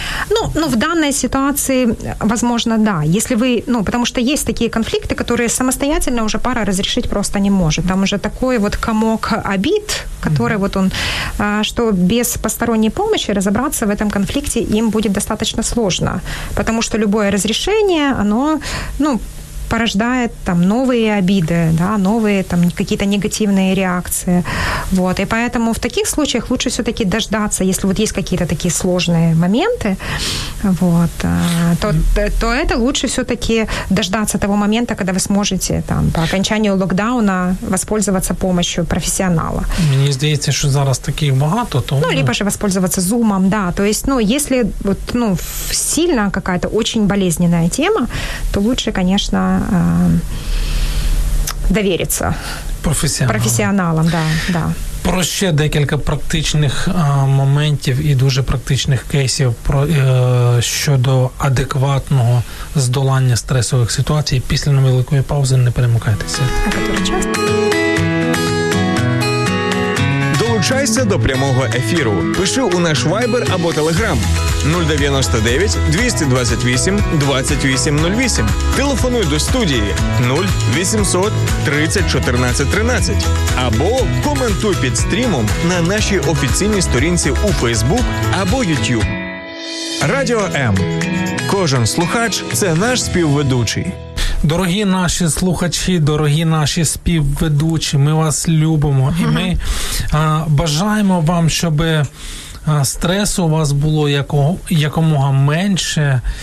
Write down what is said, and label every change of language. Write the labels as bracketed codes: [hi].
[uk] Ну, ну, в даній ситуації, [ru] возможно, да. [uk] Якщо ви, ну, тому що є такі конфлікти, які самостійно вже пара розрішити просто не може. Там вже такий от [ru] комок обід, который вот он, что без посторонней помощи разобраться в этом конфликте им будет достаточно сложно. Потому что любое разрешение, оно, ну, порождает там новые обиды, да, новые там какие-то негативные реакции. Вот. И поэтому в таких случаях лучше все-таки дождаться, если вот есть какие-то такие сложные моменты, вот, то это лучше все-таки дождаться того момента, когда вы сможете там по окончанию локдауна воспользоваться помощью профессионала. Мне кажется, что зараз таких много, то... Ну, либо же воспользоваться зумом, да. То есть, ну, если вот, ну, сильно какая-то очень болезненная тема, то лучше, конечно, довериться [uk] професіоналам. Да, да. Про ще декілька практичних моментів і дуже практичних кейсів про, щодо адекватного здолання стресових ситуацій. Після невеликої паузи не перемикайтеся. Долучайся до прямого ефіру. Пиши у наш Viber або Telegram 099-228-2808. Телефонуй до студії 0800-30-14-13. Або коментуй під стрімом на нашій офіційній сторінці у Facebook або YouTube. Радіо М. Кожен слухач – це наш співведучий. Дорогі наші слухачі, дорогі наші співведучі, ми вас любимо. І ми бажаємо вам, щоб стресу у вас було якомога менше.